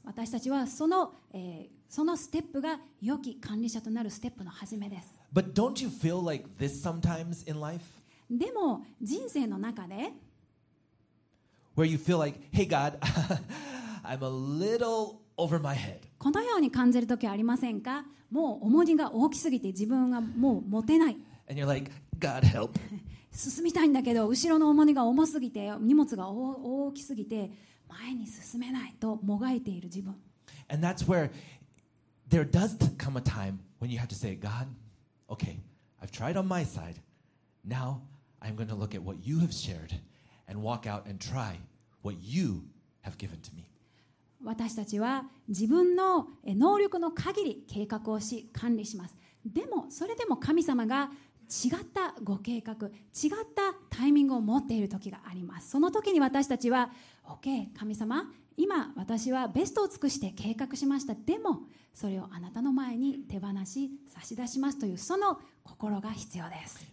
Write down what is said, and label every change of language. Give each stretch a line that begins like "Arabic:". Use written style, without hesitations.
Japanese: 私たちはその、そのステップが良き管理者となるステップの始めです。
English: But don't you feel like this sometimes in life?
Japanese: でも人生の中で、
English: where you feel like, hey God, I'm a little over my head.
Japanese: このように感じる時はありませんか？もう重荷が大きすぎて自分がもう持てない。
English: And you're like, God help.
Japanese: 進みたいんだけど、後ろの重荷が重すぎて、荷物が大きすぎて、前に進めないともがいている自分。
English: And that's where there does come a time when you have to say, God, okay, I've tried on my side. Now I'm going to look at what you have shared and walk out and try what you have given to me.
Japanese: 私たちは自分の能力の限り計画をし管理します。でもそれでも神様が違ったご計画、違ったタイミングを持っている時があります。その時に私たちは OK 神様、今私はベストを尽くして計画しました、でもそれをあなたの前に手放し差し出しますというその心が必要です。